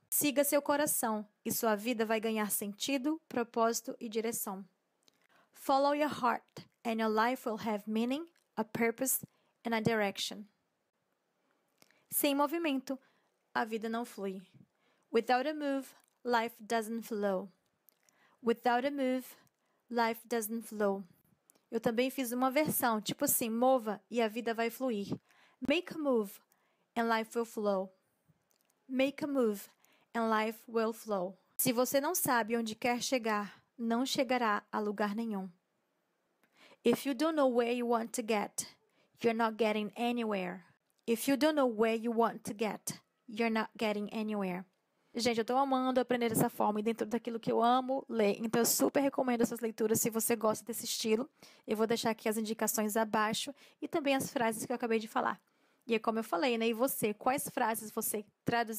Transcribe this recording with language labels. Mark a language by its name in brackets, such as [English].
[Portuguese] Siga seu coração e sua vida vai ganhar sentido, propósito e direção. [English] Follow your heart and your life will have meaning, a purpose and a direction. [Portuguese] Sem movimento, a vida não flui. [English] Without a move, life doesn't flow. Without a move, life doesn't flow. [Portuguese] Eu também fiz uma versão, tipo assim, mova e a vida vai fluir. [English] Make a move and life will flow. Make a move and life will flow. [Portuguese] Se você não sabe onde quer chegar, não chegará a lugar nenhum. [English] If you don't know where you want to get, you're not getting anywhere. If you don't know where you want to get, you're not getting anywhere. [Portuguese] Gente, eu tô amando aprender dessa forma e dentro daquilo que eu amo ler. Então, eu super recomendo essas leituras se você gosta desse estilo. Eu vou deixar aqui as indicações abaixo e também as frases que eu acabei de falar. E é como eu falei, né? E você, quais frases você traduziria?